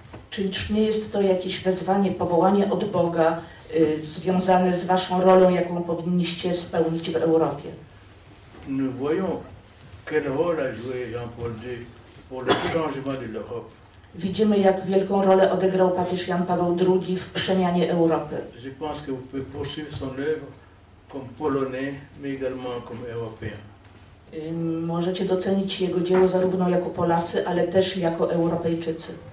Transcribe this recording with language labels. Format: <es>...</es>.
<pl>Czy nie jest to jakieś wezwanie, powołanie od Boga, związane z waszą rolą, jaką powinniście spełnić w Europie.</pl> <fr>Nous voyons quel rôle a joué Jean-Paul II pour le changement de l'Europe.</fr> <pl>Widzimy, jak wielką rolę odegrał papież Jan Paweł II w przemianie Europy.</pl> <fr>Je pense que vous pouvez poursuivre son œuvre comme Polonais, mais également comme Européen.</fr> <pl>Możecie docenić jego dzieło zarówno jako Polacy, ale też jako Europejczycy.</pl>